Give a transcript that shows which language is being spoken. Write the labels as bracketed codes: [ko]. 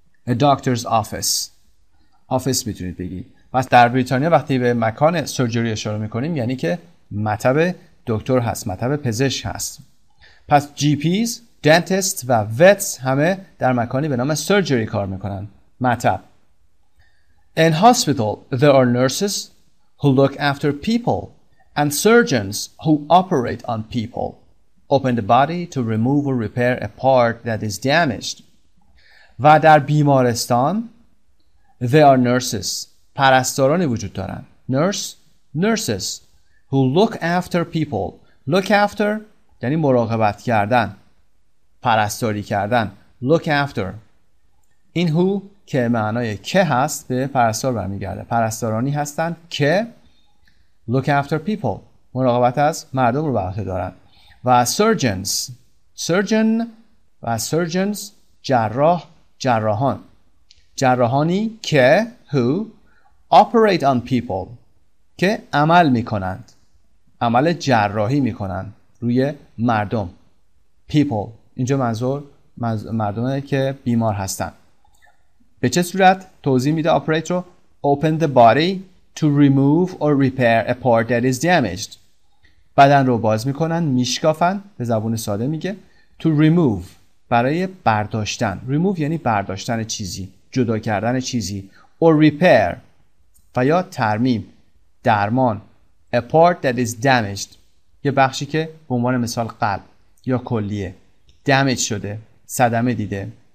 [en] A doctor's office. office [fa] میتونید بگید. پس در بریتانیا وقتی به مکان surgery اشاره میکنیم یعنی که مطب دکتر هست، مطب پزشک هست. پس GPs, dentists و vets همه در مکانی به نام surgery کار میکنن، مطب. [en] In hospital, there are nurses who look after people and surgeons who operate on people, open the body to remove or repair a part that is damaged. [fa] و در بیمارستان, [en] there are nurses, [fa] پرستارانی وجود دارن. [en] Nurses who look after people. Look after [fa] یعنی مراقبت کردن، پرستاری کردن. [en] Look after. [fa] این who که معنای که هست به پرستار برمیگرده. پرستارانی هستند که [en] look after people، [fa] مراقبت از مردم رو به عهده دارن. و surgeons، surgeon و surgeons جراح، جراحان. جراحانی که [en] who operate on people، [fa] که عمل میکنند، عمل جراحی میکنند روی مردم. people اینجا منظور مردمه که بیمار هستند. به چه صورت؟ توضیح میده operate رو. [en] open the body to remove or repair a part that is damaged. [fa] بدن رو باز میکنن، میشکافن، به زبون ساده میگه [en] to remove، [fa] برای برداشتن. remove یعنی برداشتن چیزی، جدا کردن چیزی. [en] or repair [fa] و یا ترمیم، درمان. [en] a part that is damaged، [fa] یه بخشی که به عنوان مثال قلب یا کلیه damage شده، صدمه دیده.